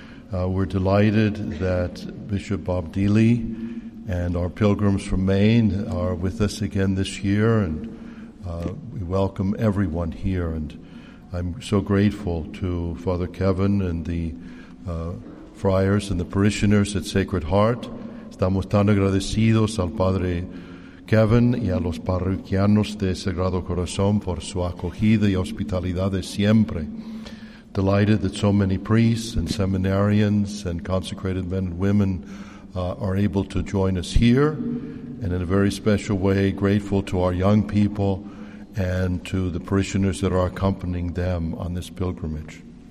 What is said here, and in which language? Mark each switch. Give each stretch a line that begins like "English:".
English: We're delighted that Bishop Bob Dealey and our pilgrims from Maine are with us again this year, and we welcome everyone here. And I'm so grateful to Father Kevin and the friars and the parishioners at Sacred Heart.
Spanish: Estamos tan agradecidos al Padre Kevin y a los parroquianos de Sagrado Corazón por su acogida y hospitalidad de siempre.
English: Delighted that so many priests and seminarians and consecrated men and women are able to join us here, and in a very special way, grateful to our young people and to the parishioners that are accompanying them on this pilgrimage.